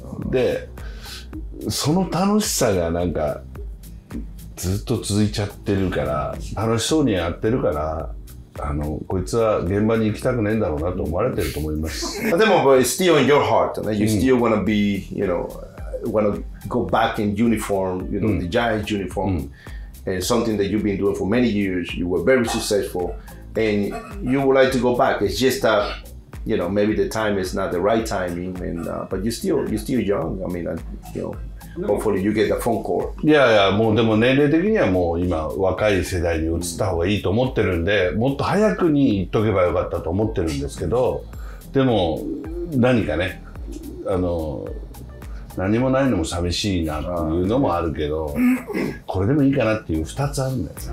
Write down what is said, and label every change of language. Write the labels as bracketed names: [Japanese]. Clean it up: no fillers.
[Japanese] でその楽しさがなんかずっと続いちゃってるから、楽しそうにやってるから、あのこいつは現場に行きたくねえんだろうなと思われてると思います。 [English] でも still in your heart、ね、you still wanna be、you know, wanna go back in uniform, you know, the Giants uniform、うん、and something that you've been doing for many years, you were very successfulAnd you would like to go back. It's just that, you know, maybe the time is not the right timing. And, but you're still young. I mean, you know, hopefully you get the phone call. Yeah, yeah. [Japanese] もうでも年齢的にはもう今若い世代に移った方がいいと思ってるんで、もっと早くに行っとけばよかったと思ってるんですけど、でも何かね、あの、何もないのも寂しいなっていうのもあるけど、これでもいいかなっていう2つあるんだよ。